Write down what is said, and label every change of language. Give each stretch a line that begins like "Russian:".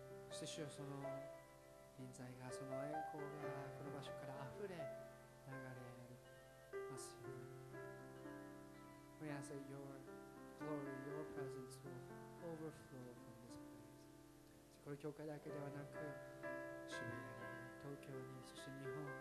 Japanese: そして主よ、その臨在が、その栄光がこの場所から溢れ流れますように。
English: We ask that your glory, your presence will overflow from this place.
Japanese: この教会だけではなく、渋谷に、東京に、そして日本。